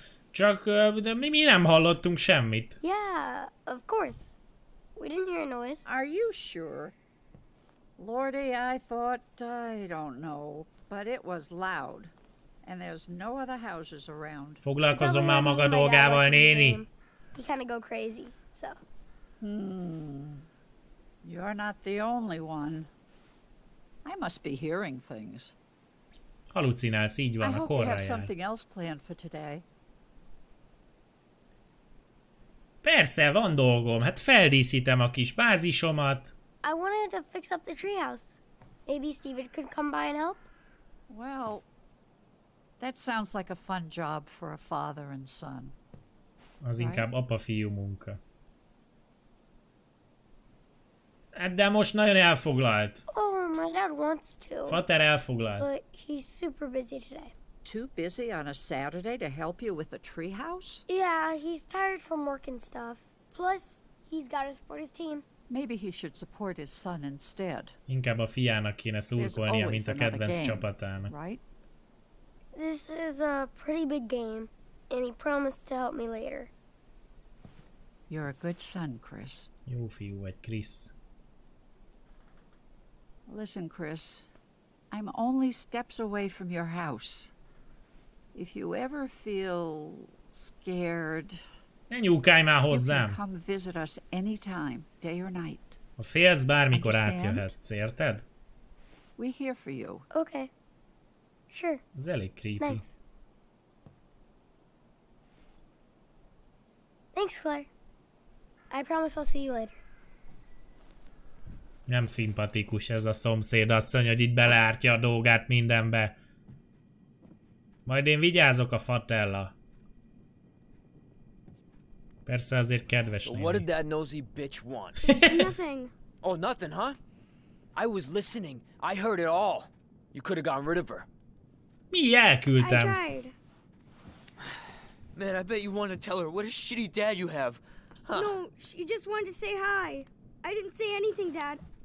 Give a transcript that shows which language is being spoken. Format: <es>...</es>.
<hu>Csak, de mi nem hallottunk semmit.</hu> <en>Yeah, of course. We didn't hear a noise. Are you sure? Lordy, I thought, I don't know, but it was loud. And there's no other houses around.</en> <hu>Foglalkozom már maga dolgával, néni.</hu> <en>He kinda go crazy, so. You're not the only one. I must be hearing things.</en> <hu>Halucinálsz, így van, a korra jár.</hu> <en>Something else planned for today.</en> <hu>Persze, van dolgom. Hát feldíszítem a kis bázisomat.</hu> <en>I wanted to fix up the treehouse. Maybe Steven could come by and help? Well, that sounds like a fun job for a father and son.</en> <hu>Az right? Inkább apa-fiú munka. De most nagyon elfoglalt.</hu> <en>Oh, my dad wants to.</en> <hu>Fater elfoglalt.</hu> <en>But he's super busy today. Too busy on a Saturday to help you with the treehouse? Yeah, he's tired from work and stuff. Plus, he's got to support his team. Maybe he should support his son instead.</en> <hu>Inkább a fiának kéne szurkolnia, mint a kedvenc csapatának.</hu> <en>Right? This is a pretty big game, and he promised to help me later. You're a good son, Chris.</en> <hu>Jó fiú vagy, Chris.</hu> <en>Listen, Chris. I'm only steps away from your house. If you ever feel scared,</en> <hu>ne nyúkálj már hozzám.</hu> <en>Come visit us anytime, day or night.</en> <hu>Ha félsz, bármikor átjöhetsz, érted?</hu> <en>We're here for you. Okay. Sure.</en> <hu>Ez elég creepy.</hu> <en>Nice. Thanks, Claire. I promise I'll see you later.</en> <hu>Nem szimpatikus ez a szomszédasszony, hogy itt beleártja a dolgát mindenbe. Majd én vigyázok a Fatella. Persze azért kedves néni.</hu> <en>So what did that nosy bitch want? Nothing. Oh, nothing, huh? I was listening. I heard it all. You could have gotten rid of her.</en> <hu>Mi elküldtem?</hu> <en>I tried. Man, I bet you wanted to tell her what a shitty dad you have. Huh? No, she just wanted to say hi. I didn't say anything, Dad.</en>